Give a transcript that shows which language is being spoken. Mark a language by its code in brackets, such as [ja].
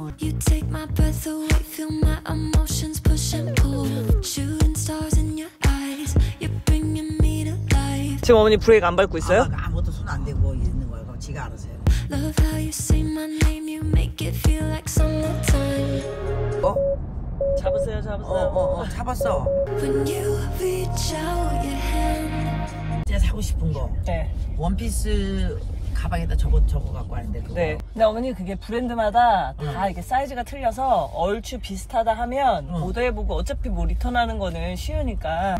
[en] You take my breath away, feel my emotions push and pull. Shooting stars in your eyes, you're bringing me to life. [ko] 지금 어머니 브레이크 안 밟고 있어요? 아, 아무것도 손 안 대고 있는 거예요. 그럼 지가 알아서요. [en] Love how you say my name, you make it feel like summertime. [ko] 어? 잡으세요, 잡으세요. 잡았어. [en] When you reach out your hand. [ko] 제가 사고 싶은 거. 네. 원피스. 가방에다 저거 갖고 왔는데 그거. 네. 근데 어머니 그게 브랜드마다 다 이게 사이즈가 틀려서 얼추 비슷하다 하면 오더해보고 어차피 뭐 리턴하는 거는 쉬우니까.